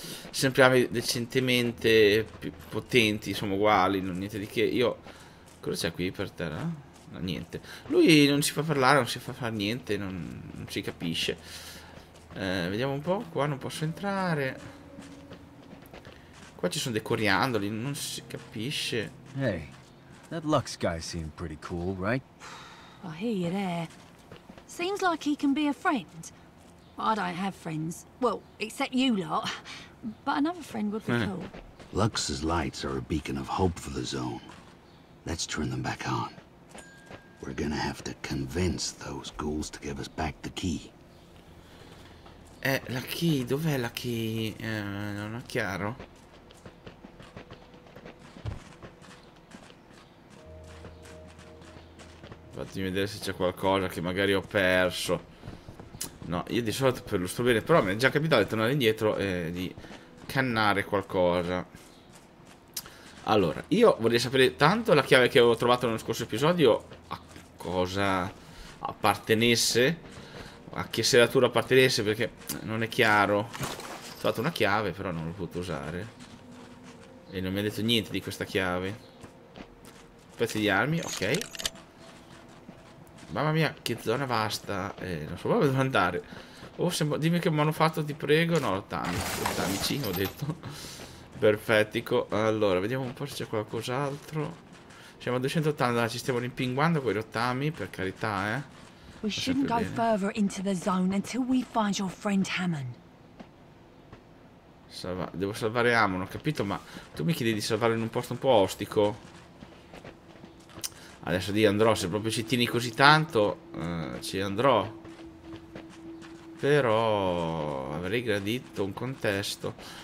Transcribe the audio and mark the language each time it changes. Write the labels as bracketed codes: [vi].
[it] Sempre armi decentemente più potenti, insomma uguali, non niente di che. Io. Cosa c'è qui per terra? No, niente. Lui non si fa parlare, non si fa fare niente, non si capisce. Vediamo un po', qua non posso entrare. Qua ci sono dei coriandoli, non si capisce. [en] Hey, that Lux guy seemed pretty cool, right? I hear you there. Seems like he can be a friend. I don't have friends. Well, except you lot. But another friend would be cool. Lux's lights are a beacon of hope for the zone. Let's turn them back on. We're gonna have to convince those ghouls to give us back the key. [it] La key, dov'è la key? Non è chiaro. Fatemi vedere se c'è qualcosa che magari ho perso. No, io di solito per lo sto bene, però mi è già capitato di tornare indietro e di cannare qualcosa. Allora, io vorrei sapere tanto la chiave che avevo trovato nello scorso episodio a cosa appartenesse, a che serratura appartenesse, perché non è chiaro. Ho trovato una chiave, però non l'ho potuto usare. E non mi ha detto niente di questa chiave. Pezzi di armi, ok. Mamma mia, che zona vasta. Non so proprio dove andare. Oh, dimmi che manufatto ti prego. No, Tamici, ho detto. Perfettico. Allora, vediamo un po' se c'è qualcos'altro. Siamo a 280, ci stiamo rimpinguando con i rottami, per carità, [en] We shouldn't go further into the zone until we find your friend Hammond. [it] Devo salvare Hammond, ho capito, ma tu mi chiedi di salvare in un posto un po' ostico? Adesso di andrò, se proprio ci tieni così tanto, ci andrò. Però avrei gradito un contesto.